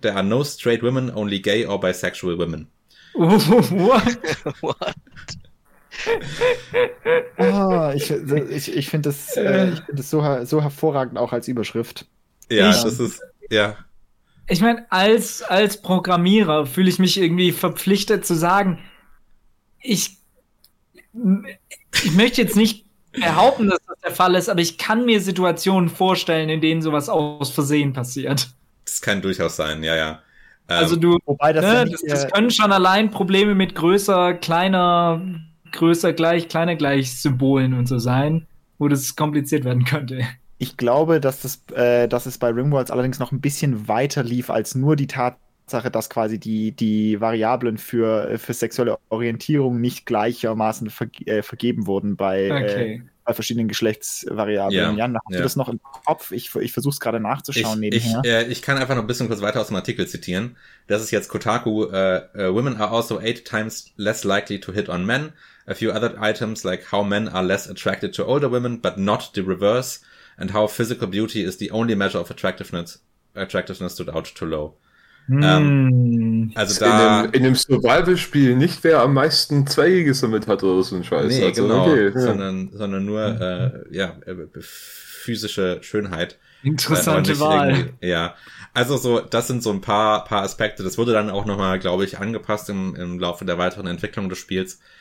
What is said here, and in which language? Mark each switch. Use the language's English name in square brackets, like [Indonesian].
[English] There are no straight women, only gay or bisexual women." What? [German] Oh, ich finde das, find das so hervorragend auch als Überschrift. Ja, das ist, ja. Ich meine, als Programmierer fühle ich mich irgendwie verpflichtet zu sagen, ich möchte jetzt nicht behaupten, dass das der Fall ist, aber ich kann mir Situationen vorstellen, in denen sowas aus Versehen passiert. Das kann durchaus sein, ja. Also du, wobei das, ne, ja nicht, das können schon allein Probleme mit größer, gleich, kleiner, gleich Symbolen und so sein, wo das kompliziert werden könnte. Ich glaube, dass es bei RimWorld allerdings noch ein bisschen weiter lief als nur die Tatsache, dass quasi die Variablen für sexuelle Orientierung nicht gleichermaßen vergeben wurden bei verschiedenen Geschlechtsvariablen. Ja, Jan, hast du das noch im Kopf? Ich versuche es gerade nachzuschauen. Ich kann einfach noch ein bisschen kurz weiter aus dem Artikel zitieren. Das ist jetzt Kotaku. [English] "Women are also 8 times less likely to hit on men. A few other items like how men are less attracted to older women, but not the reverse. And how physical beauty is the only measure of attractiveness stood out to low." [German] In dem Survival-Spiel nicht, wer am meisten Zweige gesammelt hat oder so ein Scheiß. Nee, also, genau, okay, sondern nur physische Schönheit. Interessante Wahl. Ja, also so, das sind so ein paar Aspekte. Das wurde dann auch nochmal, glaube ich, angepasst im Laufe der weiteren Entwicklung des Spiels.